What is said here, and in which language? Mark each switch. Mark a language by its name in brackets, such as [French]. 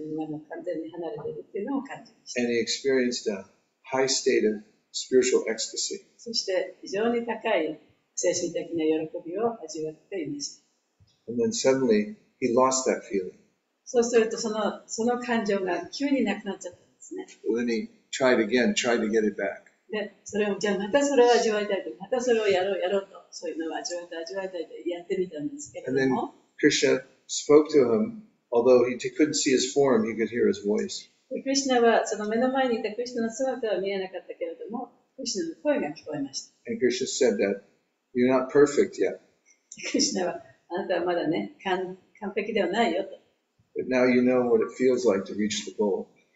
[English] And he experienced a high state of spiritual ecstasy. And then suddenly, he lost that feeling. Then he tried again, tried to get it back. [Japanese] で、それをじゃあまたそれを味わいたいと、またそれをやろうやろうと、そういうのを味わいたい、味わいたいとやってみたんですけれども。 [English] And then Krishna spoke to him, although he couldn't see his form, he could hear his voice. [Japanese] クリシュナはその目の前にいたクリシュナの姿は見えなかったけれども、クリシュナの声が聞こえました。 [English] And Krishna said that, you're not perfect yet. [Japanese] クリシュナはあなたはまだね、完璧ではないよと。 [English] But now you know what it feels like to reach the goal.